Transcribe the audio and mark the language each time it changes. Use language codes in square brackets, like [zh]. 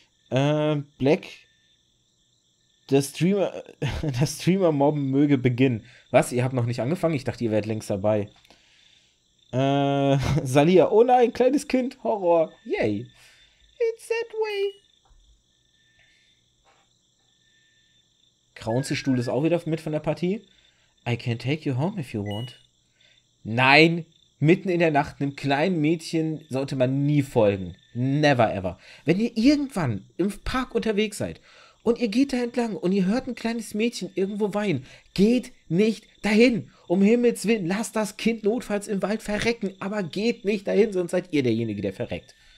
[de] Black, das Streamer-Mobben möge beginnen. Was, ihr habt noch nicht angefangen? Ich dachte, ihr wärt längst dabei. Salia, oh nein, kleines Kind, Horror, yay. [en] It's that way. [de] Kraunzelstuhl ist auch wieder mit von der Partie. [en] I can take you home if you want. [de] Nein, mitten in der Nacht einem kleinen Mädchen sollte man nie folgen. [en] Never ever. [de] Wenn ihr irgendwann im Park unterwegs seid und ihr geht da entlang und ihr hört ein kleines Mädchen irgendwo weinen, geht nicht dahin. Um Himmels Willen, lasst das Kind notfalls im Wald verrecken, aber geht nicht dahin, sonst seid ihr derjenige, der verreckt.